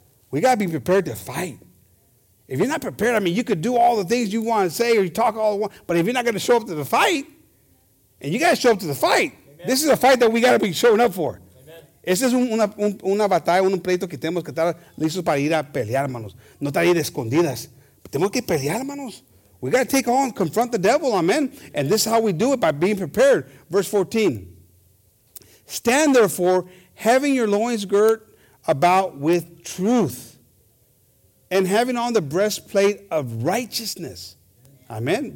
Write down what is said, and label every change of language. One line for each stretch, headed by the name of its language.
English: We gotta be prepared to fight. If you're not prepared, I mean, you could do all the things you want to say or you talk all the want, but if you're not gonna show up to the fight, and you gotta show up to the fight. Amen. This is a fight that we gotta be showing up for.
Spanish: Esa es una batalla, un pleito que tenemos que estar listos para ir a pelear, hermanos. No estar ahí de escondidas. Tenemos que pelear, hermanos.
English: We got to take on, confront the devil, amen? And this is how we do it, by being prepared. Verse 14. Stand therefore, having your loins girt about with truth, and having on the breastplate of righteousness. Amen?